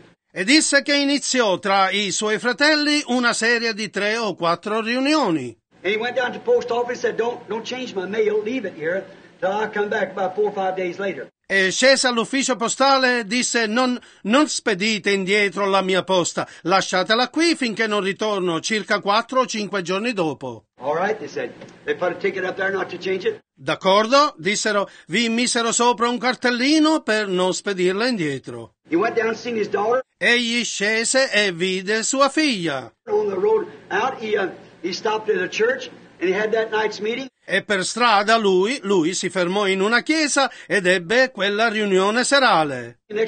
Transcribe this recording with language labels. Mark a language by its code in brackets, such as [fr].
[it] E disse che iniziò tra i suoi fratelli una serie di 3 o 4 riunioni. [en] And he went down to post office and said, don't change my mail, leave it here, till I come back about 4 or 5 days later. [it] E scese all'ufficio postale e disse, non spedite indietro la mia posta, lasciatela qui finché non ritorno, circa 4 o 5 giorni dopo. [en] All right, they said. They put a ticket up there not to change it. [it] D'accordo, dissero, vi misero sopra un cartellino per non spedirla indietro. [en] He went down to see his daughter. [it] Egli scese e vide sua figlia. [en] On the road out, he stopped at a church and he had that night's meeting. [it] E per strada lui si fermò in una chiesa ed ebbe quella riunione serale.